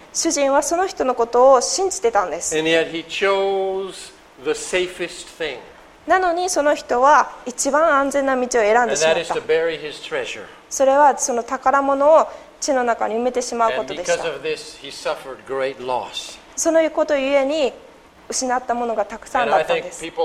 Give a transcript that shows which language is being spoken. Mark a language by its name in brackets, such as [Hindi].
[Japanese] 主人はその人のことを信じてたんです。 [English] And yet he chose the safest thing. [Japanese] なのにその人は一番安全な道を選んでしまった。 [English] And that is to bury his treasure. [Japanese] それはその宝物を地の中に埋めてしまうことでした。 [English] And because of this, he suffered great loss. [Japanese] そのことゆえに失ったものがたくさんだったんです。